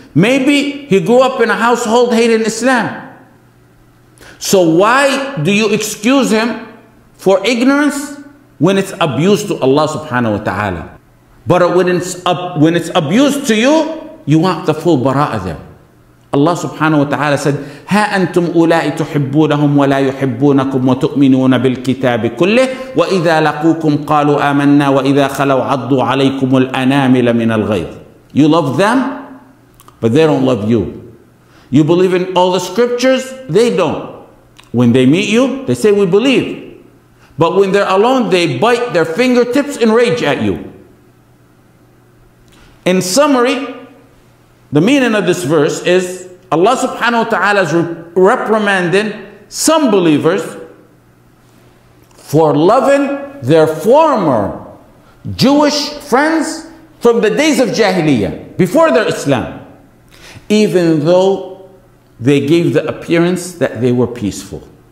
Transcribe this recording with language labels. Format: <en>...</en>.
<en>Maybe he grew up in a household hating Islam. So why do you excuse him for ignorance when it's abused to Allah subhanahu wa ta'ala? But when it's abused to you, you want the full bara'ah there. Allah subhanahu wa ta'ala said,</en> <ar>هَا أَنْتُمْ أُولَاءِ تُحِبُّونَهُمْ وَلَا يُحِبُّونَكُمْ وَتُؤْمِنُونَ بِالْكِتَابِ كُلِّهِ وَإِذَا لَقُوكُمْ قَالُوا آمَنَّا وَإِذَا خَلَوْا عَضُّوا عَلَيْكُمُ الْأَنَامِلَ مِنَ الْغَيْظِ.</ar> <en>You love them, but they don't love you. You believe in all the scriptures, they don't. When they meet you, they say, we believe. But when they're alone, they bite their fingertips in rage at you. In summary, the meaning of this verse is Allah subhanahu wa ta'ala is reprimanding some believers for loving their former Jewish friends from the days of Jahiliyyah, before their Islam, even though they gave the appearance that they were peaceful.</en>